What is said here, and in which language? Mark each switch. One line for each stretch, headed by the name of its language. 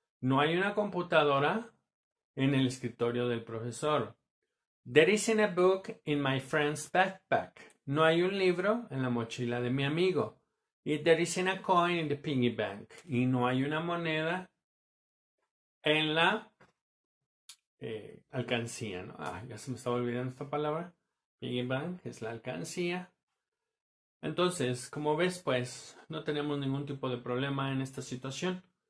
Spanish: No hay una computadora en el escritorio del profesor.
English: There isn't a book in my friend's backpack.
Spanish: No hay un libro en la mochila de mi amigo.
English: Y there isn't a coin in the piggy bank.
Spanish: Y no hay una moneda en la alcancía, ¿no? Ah, ya se me estaba olvidando esta palabra. Piggy bank es la alcancía. Entonces, como ves, pues, no tenemos ningún tipo de problema en esta situación.